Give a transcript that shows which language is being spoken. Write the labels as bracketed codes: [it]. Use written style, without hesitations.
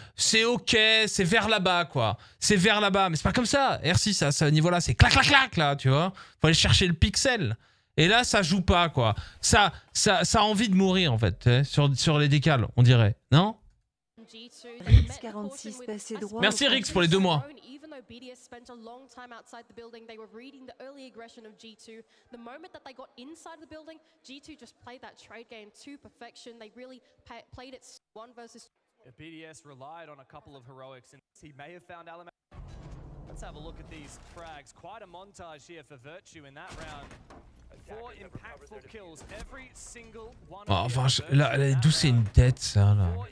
[fr] C'est OK, c'est vers là-bas, quoi. C'est vers là-bas. Mais c'est pas comme ça. R6, à ce niveau-là, c'est clac-clac-clac, là, tu vois. Faut aller chercher le pixel. Et là, ça joue pas, quoi. Ça a envie de mourir, en fait, sur les décales, on dirait. Non? Rix 46, merci Rix pour les deux mois. [en] though BDS spent a long time outside the building, they were reading the early aggression of G2. The moment that they got inside the building, G2 just played that trade game to perfection. They really played it one versus two. If BDS relied on a couple of heroics, and he may have found Alamaz. Let's have a look at these frags. Quite a montage here for Virtue in that round. Four impactful kills, every single one of them. [fr] Oh, là, là, d'où c'est une tête, ça, là?